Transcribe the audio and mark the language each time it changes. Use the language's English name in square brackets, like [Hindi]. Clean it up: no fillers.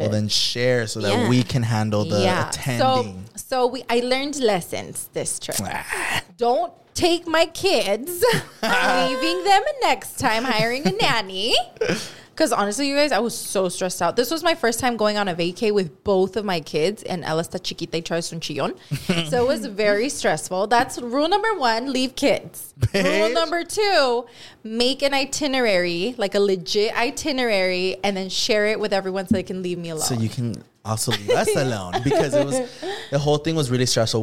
[English] Well, then share so that we can handle the attending. So I learned lessons this trip. Don't take my kids. Leaving them next time, hiring a nanny. Because honestly, you guys, I was so stressed out. This was my first time going on a vacay with both of my kids. And [Spanish] ella está chiquita y trae su chillón. [English] So it was very stressful. That's rule number one, leave kids. Bitch. Rule number two, make an itinerary, like a legit itinerary, and then share it with everyone so they can leave me alone. So you can also leave us alone. Because it was the whole thing was really stressful.